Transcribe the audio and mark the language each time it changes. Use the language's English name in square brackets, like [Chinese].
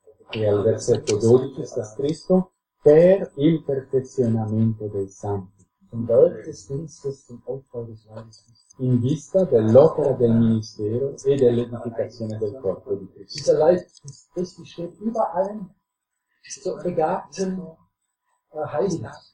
[Italian] E al versetto 12 sta scritto: per il perfezionamento dei santi. [German] zum Werk des Dienstes zum Aufbau des Leibes Christi. [Italian] In vista dell'opera del ministero e dell'edificazione del corpo di Cristo. [German] Dieser Leib Christi steht über allen so begabten Heiligen.